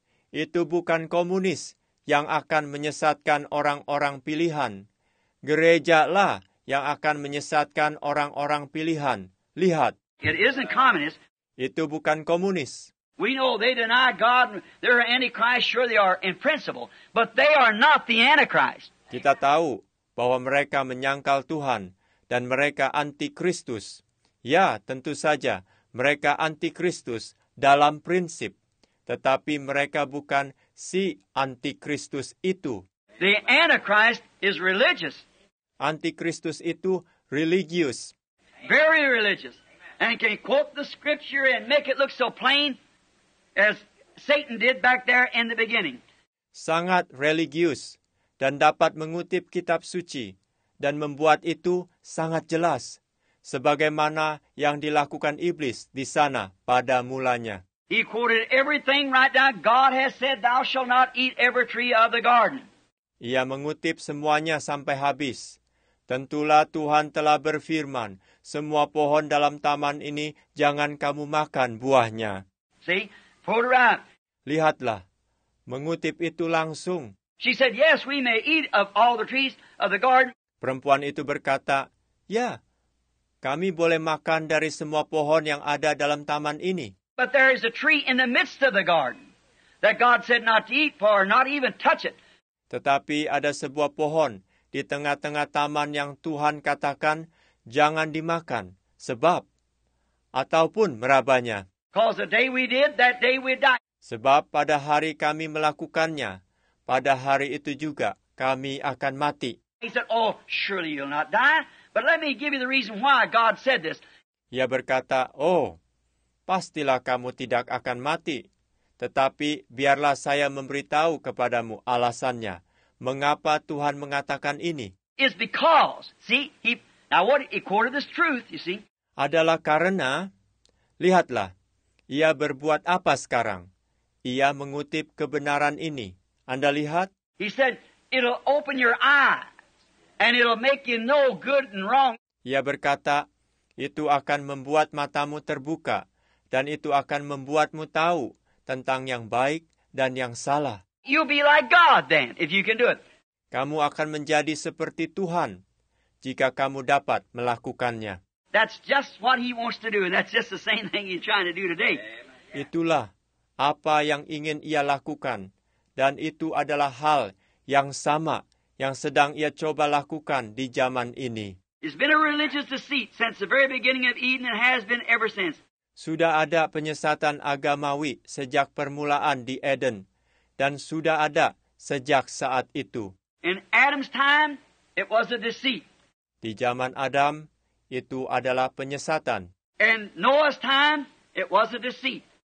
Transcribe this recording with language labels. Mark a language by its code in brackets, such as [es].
[id] Itu bukan komunis yang akan menyesatkan orang-orang pilihan. Gerejalah yang akan menyesatkan orang-orang pilihan. Lihat. [en] It isn't communist. [id] Itu bukan komunis. [en] We know they deny God, they're antichrist, sure they are in principle, but they are not the antichrist. [id] Kita tahu bahwa mereka menyangkal Tuhan dan mereka antikristus. Ya, tentu saja mereka antikristus dalam prinsip, tetapi mereka bukan si antikristus itu. [en] The antichrist is religious. [id] Antikristus itu religius. [en] Very religious. And can quote the scripture and make it look so plain as Satan did back there in the beginning. [id] Sangat religius dan dapat mengutip kitab suci dan membuat itu sangat jelas, sebagaimana yang dilakukan iblis di sana pada mulanya. [en] He quoted everything right down. God has said, "Thou shalt not eat every tree of the garden." [id] Ia mengutip semuanya sampai habis. Tentulah Tuhan telah berfirman, semua pohon dalam taman ini jangan kamu makan buahnya. [en] See, quote right. [id] Lihatlah, mengutip itu langsung. [en] She said, "Yes, we may eat of all the trees of the garden." [id] Perempuan itu berkata, "Ya, kami boleh makan dari semua pohon yang ada dalam taman ini." [en] But there is a tree in the midst of the garden that God said not to eat for, not even touch it. [id] Tetapi ada sebuah pohon di tengah-tengah taman yang Tuhan katakan jangan dimakan, sebab ataupun merabanya. [en] Because the day we did, that day we died. [id] Sebab pada hari kami melakukannya, pada hari itu juga kami akan mati. [en] He said, "Oh, surely you'll not die, but let me give you the reason why God said this." [id] Ia berkata, "Oh, pastilah kamu tidak akan mati, tetapi biarlah saya memberitahu kepadamu alasannya. Mengapa Tuhan mengatakan ini? [en] It's because, see, he quoted this truth, you see. [id] Adalah karena, lihatlah, ia berbuat apa sekarang? Ia mengutip kebenaran ini. Anda lihat? [en] He said, "It'll open your eyes, and it'll make you know good and wrong." [id] Ia berkata, itu akan membuat matamu terbuka, dan itu akan membuatmu tahu tentang yang baik dan yang salah. [en] You'll be like God then, if you can do it. [id] Kamu akan menjadi seperti Tuhan jika kamu dapat melakukannya. [en] That's just what he wants to do, and that's just the same thing he's trying to do today. [id] Itulah apa yang ingin ia lakukan, dan itu adalah hal yang sama yang sedang ia coba lakukan di zaman ini. [en] It's been a religious deceit since the very beginning of Eden, and has been ever since. [id] Sudah ada penyesatan agamawi sejak permulaan di Eden, dan sudah ada sejak saat itu. [en] In Adam's time, it was a deceit. [id] Di zaman Adam, itu adalah penyesatan. [en] In Noah's time, it was a deceit.